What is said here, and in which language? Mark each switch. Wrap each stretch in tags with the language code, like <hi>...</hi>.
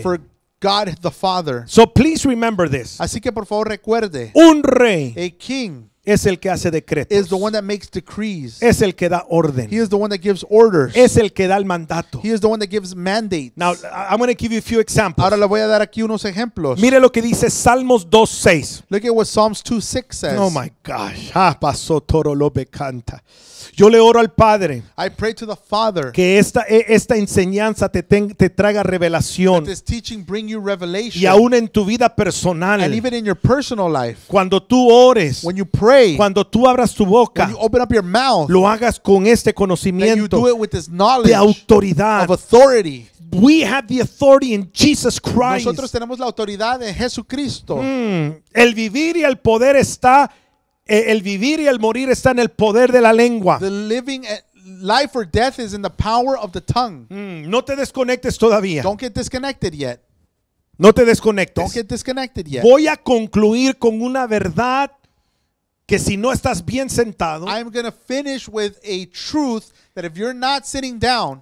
<en>For God the Father. So please remember this.</en> <es>Así que por favor recuerde. Un rey,</es> <en>a king,</en> <es>Es el que hace decretos.</es> <en>Is the one that makes decrees.</en> <es>Es el que da orden.</es> <en>He is the one that gives orders.</en> <es>Es el que da el mandato.</es> <en>He is the one that gives mandates. Now, I'm going to give you a few examples.</en> <es>Ahora le voy a dar aquí unos ejemplos. Mire lo que dice Salmos 2:6.</es> <en>Look at what Psalms 2:6 says. Oh my gosh.</en> <es>Ah, pasó todo lo que canta. Yo le oro al Padre.</es> <en>I pray to the Father.</en> <es>Que esta enseñanza te traiga revelación.</es> <en>That this teaching bring you revelation.</en> <es>Y aún en tu vida personal.</es> <en>And even in your personal life.</en> <es>Cuando tú ores.</es> <en>When you pray.</en> <es>Cuando tú abras tu boca.</es> <en>When you open up your mouth.</en> <es>Lo hagas con este conocimiento.</es> <en>That you do it with this knowledge.</en> <es>De autoridad.</es> <en>Of authority. We have the authority in Jesus Christ.</en> <es>Nosotros tenemos la autoridad en Jesucristo. El vivir y el poder está. El vivir y el morir está en el poder de la lengua.</es> <en>The living life or death is in the power of the tongue.</en> <es>No te desconectes todavía.</es> <en>Don't get disconnected yet.</en> <es>No te desconectes.</es> <en>Don't get disconnected yet.</en> <es>Voy a concluir con una verdad que si no estás bien sentado,</es> <en>I'm going to finish with a truth that if you're not sitting down,</en>